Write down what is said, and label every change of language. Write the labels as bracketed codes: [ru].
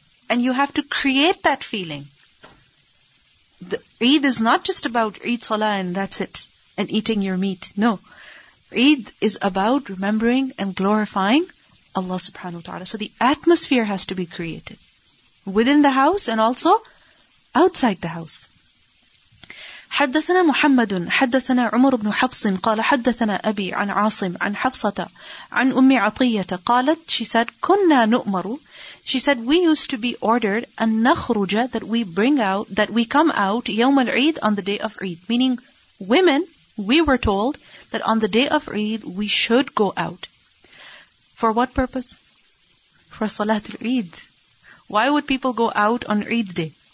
[en] And you have to create that feeling. The Eid is not just about Eid Salah and that's it, and eating your meat. No. Eid is about remembering and glorifying Allah subhanahu wa ta'ala. So the atmosphere has to be created within the house and also outside the house. [ar] حدثنا محمد حدثنا عمر بن حفص قال حدثنا أبي عن عاصم عن حفصة عن أم عطية قالت [en] she said [ar] كنا نؤمر. [en] She said, we used to be ordered [ar] an nakhruja, [en] that we bring out, that we come out [ar] yawm al-eid [en] on the day of Eid. Meaning, women, we were told that on the day of Eid, we should go out. For what purpose? For Salatul Eid. Why would people go out on Eid day?